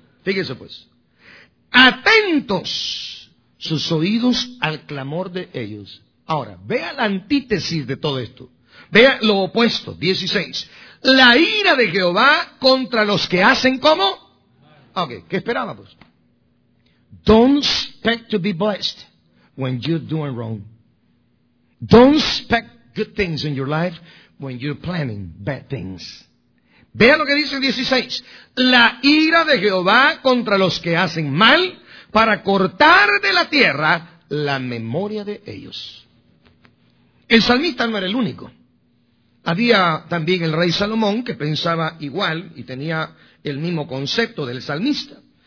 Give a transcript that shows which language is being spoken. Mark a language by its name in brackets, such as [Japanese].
[Spanish] Fíjese pues, atentos sus oídos al clamor de ellos. Ahora, vea la antítesis de todo esto. Vea lo opuesto, 16. La ira de Jehová contra los que hacen como. Ok, ¿qué esperaba pues? [English] Don't expect to be blessed when you're doing wrong. Don't expect good things in your life when you're planning bad things. [Spanish] Vea lo que dice el 16. La ira de Jehová contra los que hacen mal para cortar de la tierra la memoria de ellos. El salmista no era el único. Había también el rey Salomón que pensaba igual y tenía el mismo concepto del salmista.